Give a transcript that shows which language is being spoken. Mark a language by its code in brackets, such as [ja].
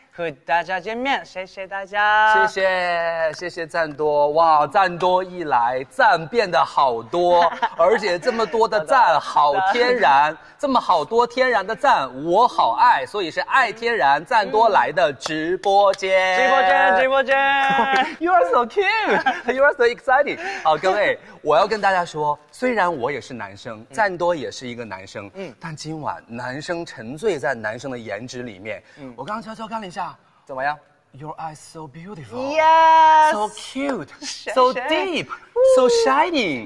[zh] 和大家见面，谢谢大家，谢谢赞多，哇，赞多一来，赞变得好多，而且这么多的赞，好天然，这么好多天然的赞，我好爱，所以是爱天然赞多来的直播间，直播间 [en] ，You are so cute, you are so exciting。 [zh] 好，各位，我要跟大家说，虽然我也是男生，赞多也是一个男生，但今晚男生沉醉在男生的颜值里面，我刚悄悄看了一下。怎么样 [en] ？Your eyes so beautiful, yes, so cute, so deep, so shining.